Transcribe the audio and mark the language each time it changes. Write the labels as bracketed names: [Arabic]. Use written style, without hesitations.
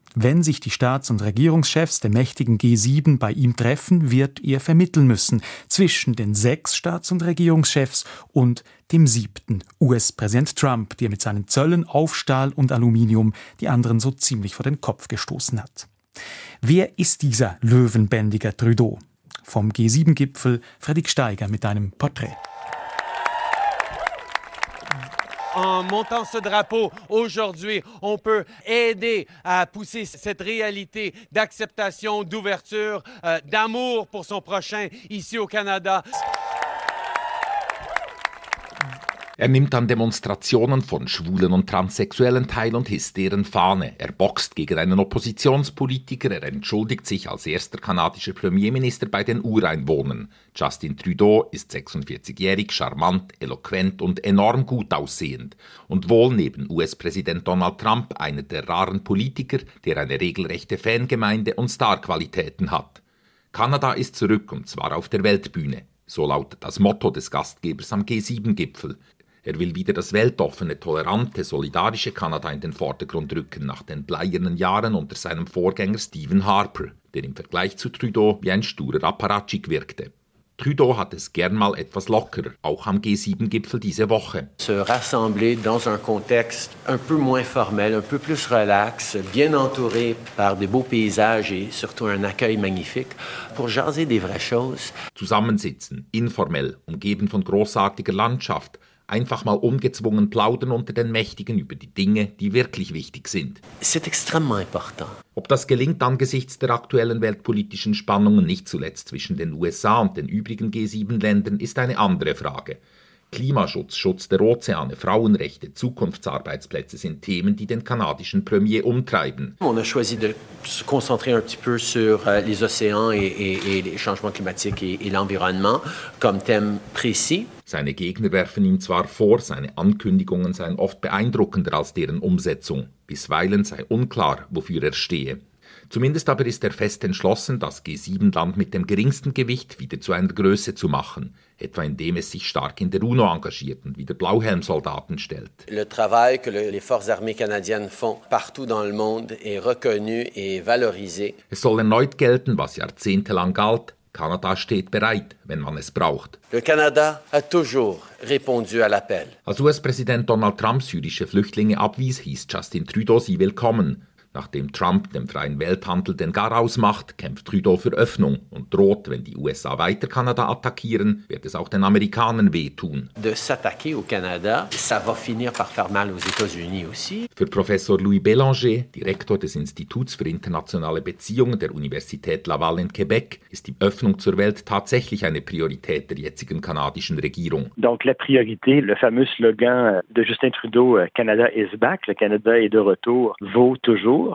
[German] Wenn sich die Staats- und Regierungschefs der mächtigen G7 bei ihm treffen, wird er vermitteln müssen zwischen den 6 Staats- und Regierungschefs und dem 7. US-Präsident Trump, der mit seinen Zöllen auf Stahl und Aluminium die anderen so ziemlich vor den Kopf gestoßen hat. Wer ist dieser Löwenbändiger Trudeau? Vom G7-Gipfel Fredrik Steiger mit einem Porträt. [French] En montant ce drapeau aujourd'hui, on peut aider à pousser cette réalité d'acceptation, d'ouverture, d'amour pour son prochain ici au Canada. [German] Er nimmt an Demonstrationen von Schwulen und Transsexuellen teil und hisst deren Fahne. Er boxt gegen einen Oppositionspolitiker, er entschuldigt sich als erster kanadischer Premierminister bei den Ureinwohnern. Justin Trudeau ist 46-jährig, charmant, eloquent und enorm gut aussehend. Und wohl neben US-Präsident Donald Trump einer der raren Politiker, der eine regelrechte Fangemeinde und Starqualitäten hat. Kanada ist zurück und zwar auf der Weltbühne. So lautet das Motto des Gastgebers am G7-Gipfel. Er will wieder das weltoffene, tolerante, solidarische Kanada in den Vordergrund rücken, nach den bleiernen Jahren unter seinem Vorgänger Stephen Harper, der im Vergleich zu Trudeau wie ein sturer Apparatschik wirkte. Trudeau hat es gern mal etwas locker, auch am G7-Gipfel diese Woche. [French] Se rassembler dans un contexte un peu moins formel, un peu plus relax, bien entouré par des beaux paysages et surtout un accueil magnifique pour jaser des vraies choses. [German] Zusammensitzen, informell, umgeben von großartiger Landschaft, einfach mal ungezwungen plaudern unter den Mächtigen über die Dinge, die wirklich wichtig sind. [French] C'est extrêmement important. [German] Ob das gelingt angesichts der aktuellen weltpolitischen Spannungen, nicht zuletzt zwischen den USA und den übrigen G7-Ländern, ist eine andere Frage. Klimaschutz, Schutz der Ozeane, Frauenrechte, Zukunftsarbeitsplätze sind Themen, die den kanadischen Premier umtreiben. [French] On a choisi de se concentrer un petit peu sur les océans et les changements climatiques et l'environnement comme thème précis. [German] Seine Gegner werfen ihm zwar vor, seine Ankündigungen seien oft beeindruckender als deren Umsetzung. Bisweilen sei unklar, wofür er stehe. Zumindest aber ist er fest entschlossen, das G7-Land mit dem geringsten Gewicht wieder zu einer Größe zu machen. Etwa indem es sich stark in der UNO engagiert und wieder Blauhelmsoldaten stellt. [French] Le travail que les forces armées canadiennes font partout dans le monde est reconnu et valorisé. [German] Es soll erneut gelten, was jahrzehntelang galt. Kanada steht bereit, wenn man es braucht. [French] Le Canada a toujours répondu à l'appel. [German] Als US-Präsident Donald Trump syrische Flüchtlinge abwies, hieß Justin Trudeau sie willkommen. Nachdem Trump dem freien Welthandel den Garaus macht, kämpft Trudeau für Öffnung und droht, wenn die USA weiter Kanada attackieren, wird es auch den Amerikanern wehtun. [French] De s'attaquer au Canada, ça va finir par faire mal aux États-Unis aussi. [German] Für Professor Louis Bélanger, Direktor des Instituts für internationale Beziehungen der Universität Laval in Quebec, ist die Öffnung zur Welt tatsächlich eine Priorität der jetzigen kanadischen Regierung. [French] Donc la priorité, le fameux slogan de Justin Trudeau, [English] Canada is back, [French] le Canada est de retour, vaut toujours.